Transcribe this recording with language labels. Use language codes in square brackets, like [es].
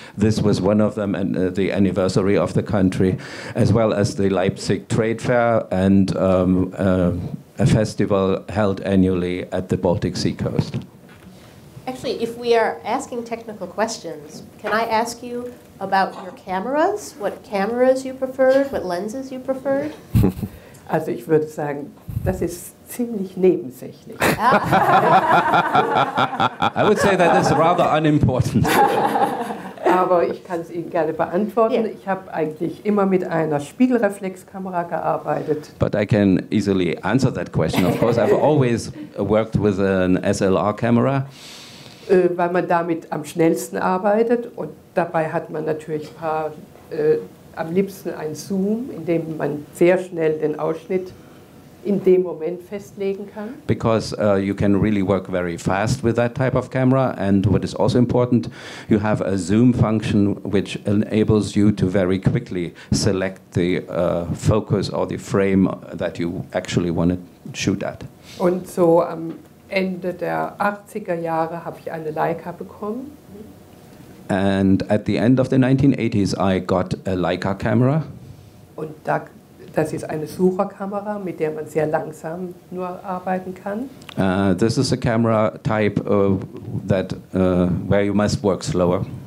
[en] This was one of them, and the anniversary of the country, as well as the Leipzig Trade Fair and a festival held annually at the Baltic Sea coast. Actually, if we are asking technical questions, can I ask you about your cameras? What cameras you preferred? What lenses you preferred? [de] Also ich würde sagen, das ist ziemlich nebensächlich. [en] I would say that is rather unimportant. [de] Aber ich kann es Ihnen gerne beantworten. Yeah. Ich habe eigentlich immer mit einer Spiegelreflexkamera gearbeitet. [en] But I can easily answer that question. Of course, I've always worked with an SLR camera. [de] Weil man damit am schnellsten arbeitet und dabei hat man natürlich ein paar am liebsten ein Zoom, in dem man sehr schnell den Ausschnitt in dem Moment festlegen kann. [en] Because you can really work very fast with that type of camera, and what is also important, you have a zoom function which enables you to very quickly select the focus or the frame that you actually want to shoot at. [de] Und so am Ende der 80er Jahre habe ich eine Leica bekommen. [en] And at the end of the 1980s, I got a Leica camera. [de] Und das ist eine Sucherkamera, mit der man sehr langsam nur arbeiten kann. [en] This is a camera type where you must work slower.